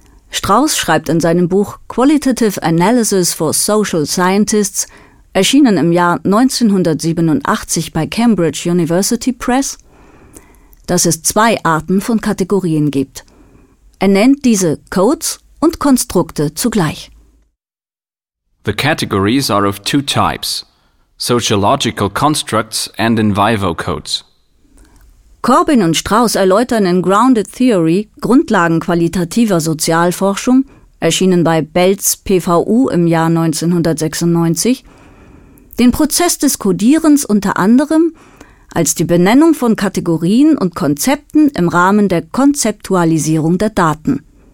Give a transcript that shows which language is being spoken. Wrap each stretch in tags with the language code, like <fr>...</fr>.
<de>Strauss schreibt in seinem Buch Qualitative Analysis for Social Scientists, erschienen im Jahr 1987 bei Cambridge University Press, dass es zwei Arten von Kategorien gibt. Er nennt diese Codes und Konstrukte zugleich.</de> <en>The categories are of two types, sociological constructs and in vivo codes.</en> <de>Corbin und Strauss erläutern in Grounded Theory Grundlagen qualitativer Sozialforschung, erschienen bei Belz PVU im Jahr 1996, den Prozess des Codierens unter anderem als die Benennung von Kategorien und Konzepten im Rahmen der Konzeptualisierung der Daten.</de>